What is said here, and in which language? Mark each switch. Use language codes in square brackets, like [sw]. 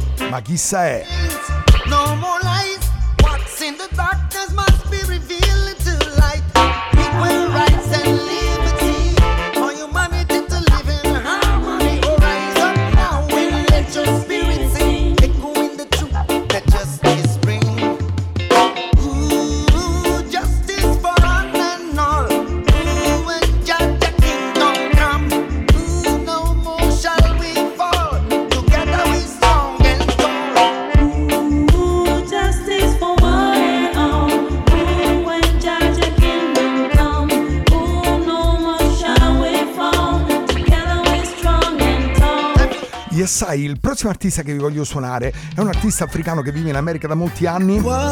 [it] ma chissà, è [en] no more lies, what's in the darkness must be revealed to light, equal rights and liberty for humanity to live in harmony, horizon now will let your spirit sing, echoing the truth that justice bring, ooh, justice for all and all, ooh, when judge the kingdom come, ooh, no more shall we fall, together we song and call, ooh, justice for one and all, ooh, when judge the kingdom come, ooh, no more shall we fall, together we strong and tall. Yes I, [it] il prossimo artista che vi voglio suonare è un artista africano che vive in America da molti anni.